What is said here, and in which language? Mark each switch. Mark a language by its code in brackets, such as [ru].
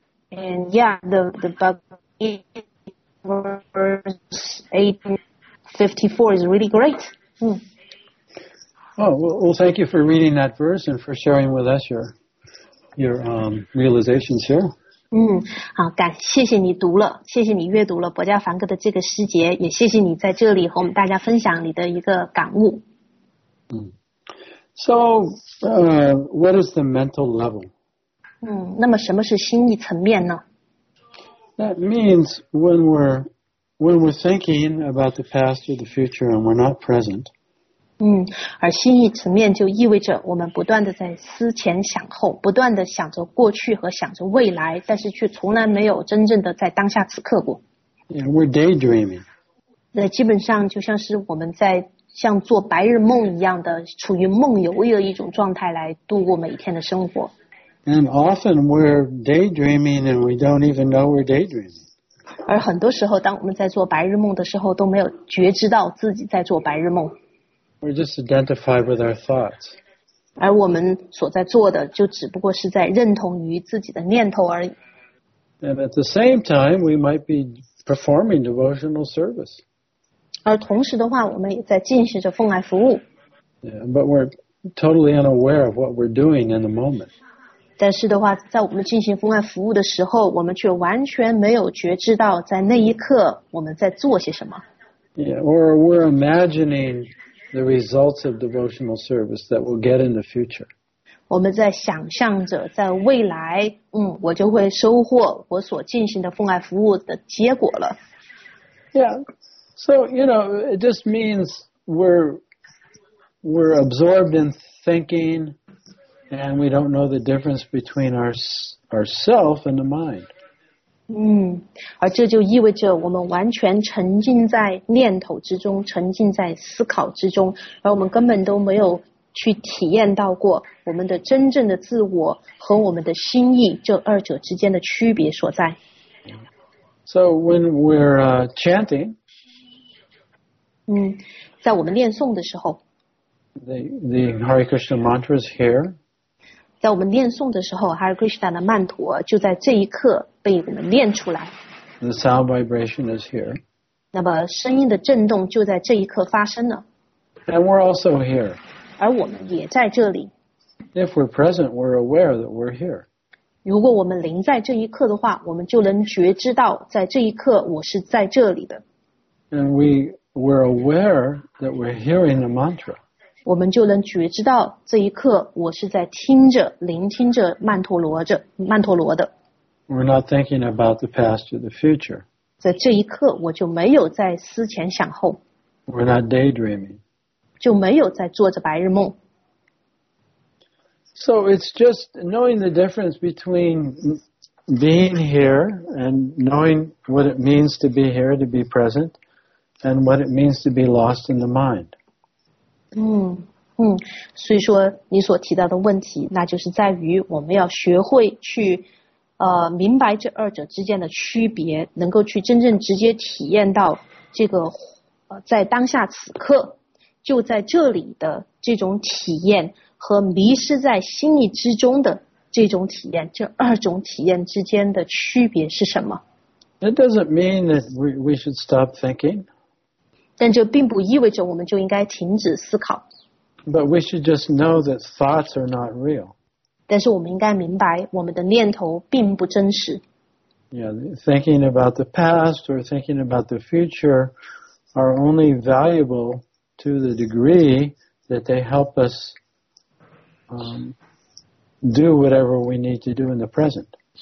[en] And yeah, the Bhagavad Gita verse 18:54 is really great. Well, thank you for reading that verse and for sharing with us your realizations here. [zh] 好，谢谢你读了，谢谢你阅读了博迦梵歌的这个诗节，也谢谢你在这里和我们大家分享你的一个感悟。 [en] What is the mental level? [zh] 那么什么是心意层面呢？ [en] That means when we're thinking about the past or the future and we're not present. [zh] 而心意层面就意味着我们不断的在思前想后，不断的想着过去和想着未来，但是却从来没有真正的在当下此刻过。 [en] Yeah, we're daydreaming. [zh] 那基本上就像是我们在像做白日梦一样的，处于梦游的一种状态来度过每一天的生活。 [en] And often we're daydreaming and we don't even know we're daydreaming. [zh] 而很多时候，当我们在做白日梦的时候，都没有觉知到自己在做白日梦。 [en] We're just identified with our thoughts. [zh] 而我们所在做的就只不过是在认同于自己的念头而已。 [en] And at the same time, we might be performing devotional service. [zh] 而同时的话，我们也在进行着奉爱服务。 [en] Yeah, but we're totally unaware of what we're doing in the moment. [zh] 但是的话，在我们进行奉爱服务的时候，我们却完全没有觉知到在那一刻我们在做些什么。 [en] Yeah, or we're imagining the results of devotional service that we'll get in the future. [zh] 我们在想象着在未来，嗯，我就会收获我所进行的奉爱服务的结果了。 [en] Yeah, so you know, it just means we're absorbed in thinking, and we don't know the difference between ourself and the mind. [zh] 嗯，而这就意味着我们完全沉浸在念头之中，沉浸在思考之中，而我们根本都没有去体验到过我们的真正的自我和我们的心意这二者之间的区别所在。 [en] So when we're chanting, [zh] 嗯，在我们念诵的时候 [en] ，the Hare Krishna mantra is here. [zh] 在我们念诵的时候 ，Hare Krishna 的曼陀就在这一刻被我们念出来。 [en] The sound vibration is here. [zh] 那么声音的震动就在这一刻发生了。 [en] And we're also here. [zh] 而我们也在这里。 [en] If we're present, we're aware that we're here. [zh] 如果我们临在这一刻的话，我们就能觉知到在这一刻我是在这里的。 [en] And we're aware that we're hearing the mantra. [zh] 我们就能觉知到这一刻我是在听着、聆听着曼陀罗的。 [en] We're not thinking about the past or the future. [zh] 在这一刻我就没有在思前想后。 [en] We're not daydreaming. [zh] 就没有在做着白日梦。 [en] So it's just knowing the difference between being here and knowing what it means to be here, to be present, and what it means to be lost in the mind. [zh] 嗯嗯，所以说你所提到的问题，那就是在于我们要学会去明白这二者之间的区别，能够去真正直接体验到这个在当下此刻。就在这里的这种体验和迷失在心意之中的这种体验，这二种体验之间的区别是什么？ [en] That doesn't mean that we should stop thinking. [zh] 但这并不意味着我们就应该停止思考。 [en] But we should just know that thoughts are not real. [zh] 但是我们应该明白我们的念头并不真实。 [en] Yeah, thinking about the past or thinking about the future are only valuable. To the degree that they help us do whatever we need to do in the present.